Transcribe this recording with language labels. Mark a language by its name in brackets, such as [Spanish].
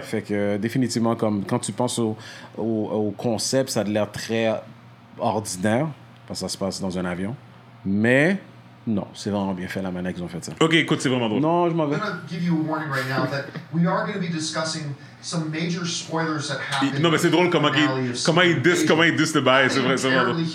[French] Fait que définitivement, comme, quand tu penses au concept, ça a l'air très ordinaire, parce que ça se passe dans un avion. Mais... Non, c'est vraiment bien fait la manière qu'ils ont fait ça. OK, écoute, c'est vraiment drôle. Non, je m'en vais. [English] I'm going to give you a warning right now that we are going to be discussing some major spoilers that happened. [French] Non, mais c'est drôle comment il dis le bail, c'est vrai, c'est vraiment drôle.